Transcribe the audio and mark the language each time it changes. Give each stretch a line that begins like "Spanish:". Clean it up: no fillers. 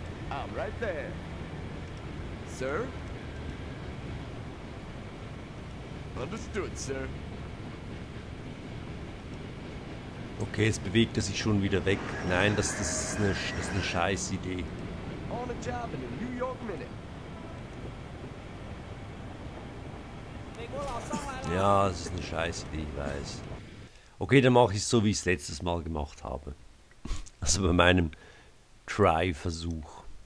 English: I'm right there. Sir? Understood, sir.
German: Okay, jetzt bewegt er sich schon wieder weg. Nein, das ist eine scheiß Idee.
English: On a job in a New York minute.
German: Ja, das ist eine scheiß Idee, ich weiß. Okay, dann mache ich es so, wie ich es letztes Mal gemacht habe. Also bei meinem Try-Versuch.